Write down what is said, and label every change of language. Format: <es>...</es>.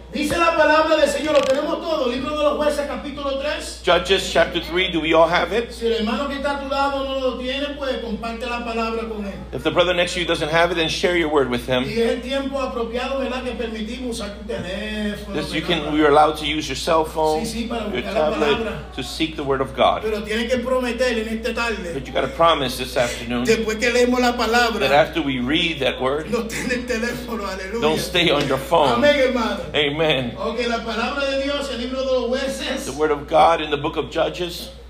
<es>Dice la palabra del Señor, lo tenemos todo. Libro de los Jueces, capítulo 3.</es> <en>Judges, chapter 3. Do we all have it?</en> <es>Si el hermano que está a tu lado no lo tiene, pues comparte la palabra con él.</es> <en>If the brother next to you doesn't have it, then share your word with him.</en> <es>Y es el tiempo apropiado, ¿verdad? Que permitimos usar tu teléfono.</es> <en>This, you can, we are allowed to use your cell phone,</en> <es>sí, sí, para</es> <en>your tablet, to seek the Word of God.</en> <es>Pero tiene que prometer en esta tarde.</es> <en>But you got to promise this afternoon.</en> <es>Después que leemos la palabra.</es> <en>That after we read that word.</en> <es>No tiene el teléfono, aleluya.</es> <en>Don't stay on your phone.</en> <es>Amén, hermano.</es> <en>Amen.</en> <es>Okay, la palabra de Dios, el libro de los jueces.</es> <en>The word of God in the book of Judges.</en>